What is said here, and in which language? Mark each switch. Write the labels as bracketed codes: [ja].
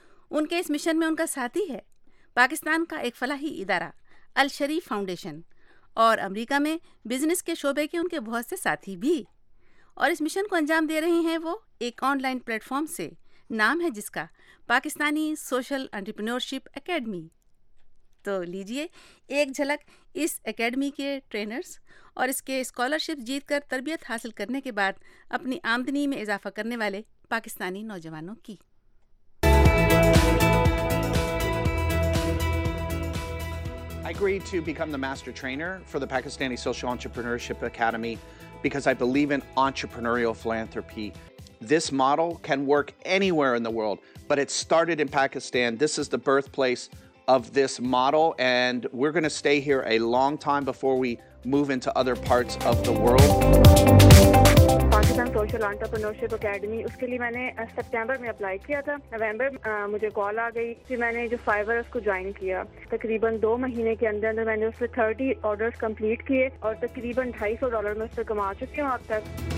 [ur] ان کے اس مشن میں ان کا ساتھی ہے پاکستان کا ایک فلاحی ادارہ الشریف فاؤنڈیشن, اور امریکہ میں بزنس کے شعبے کے ان کے بہت سے ساتھی بھی, اور اس مشن کو انجام دے رہے ہیں وہ ایک آن لائن پلیٹ فارم سے, نام ہے جس کا پاکستانی سوشل انٹرپرینورشپ اکیڈمی. تو لیجئے ایک جھلک اس اکیڈمی کے ٹرینرز اور اس کے اسکالرشپ جیت کر تربیت حاصل کرنے کے بعد اپنی آمدنی میں اضافہ کرنے والے پاکستانی نوجوانوں کی. [en] I agreed to become the master trainer for the Pakistani Social Entrepreneurship Academy because I believe in entrepreneurial philanthropy. This model can work anywhere in the world, but it started in Pakistan. This is the birthplace of this model, and we're going to stay here a long time before we move into other parts of the world. [ur] Pakistan social entrepreneur ship academy, اس کے لیے میں نے September میں apply کیا تھا, نومبر مجھے کال آ گئی, پھر میں نے جو فائیور اس کو جوائن کیا. تقریباً 2 مہینے کے اندر اندر میں نے اس سے 30 آرڈرز کمپلیٹ کیے اور تقریباً $250 میں اس سے کما چکی ہوں اب تک.